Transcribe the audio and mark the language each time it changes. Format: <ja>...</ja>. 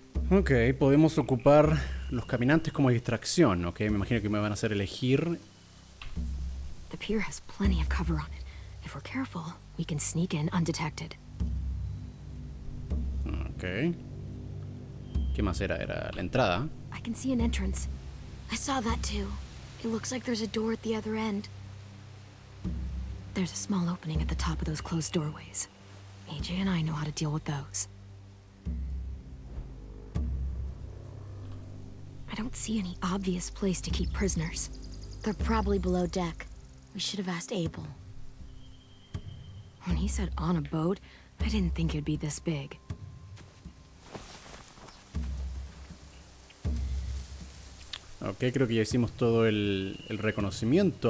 <es>Ok, podemos ocupar los caminantes como distracción, ok. Me imagino que me van a hacer elegir.</es> <en>The pier has plenty of cover on it. If we're careful, we can sneak in undetected.</en> <es>Ok. ¿Qué más era? Era la entrada.</es> <en>I can see an entrance. I saw that too. It looks like there's a door at the other end. There's a small opening at the top of those closed doorways. AJ and I know how to deal with those. I don't see any obvious place to keep prisoners. They're probably below deck. We should have asked Abel. When he said on a boat, I didn't think it'd be this big.</en> <es>Ok, creo que ya hicimos todo el reconocimiento.</es>